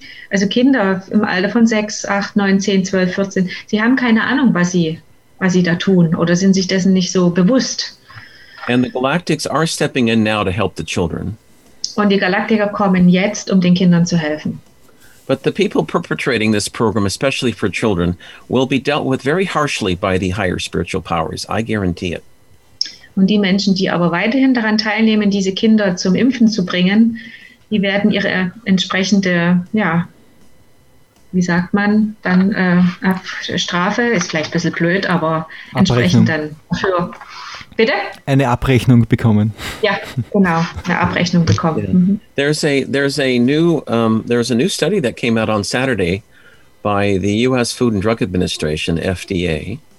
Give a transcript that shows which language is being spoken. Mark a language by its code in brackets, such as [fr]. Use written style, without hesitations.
[de] Also Kinder im Alter von 6, 8, 9, 10, 12, 14, sie haben keine Ahnung, was sie da tun oder sind sich dessen nicht so bewusst. [en] And the Galactics are stepping in now to help the children. [de] Und die Galaktiker kommen jetzt, um den Kindern zu helfen. [en] But the people perpetrating this program, especially for children, will be dealt with very harshly by the higher spiritual powers. I guarantee it. [de] Und die Menschen, die aber weiterhin daran teilnehmen, diese Kinder zum Impfen zu bringen, die werden ihre entsprechende, ja, wie sagt man, dann Strafe, ist vielleicht ein bisschen blöd, aber entsprechend dann für, bitte? Eine Abrechnung bekommen. Ja, genau, eine Abrechnung bekommen. [en] Yeah. There's a new study that came out on Saturday by the US Food and Drug Administration, FDA.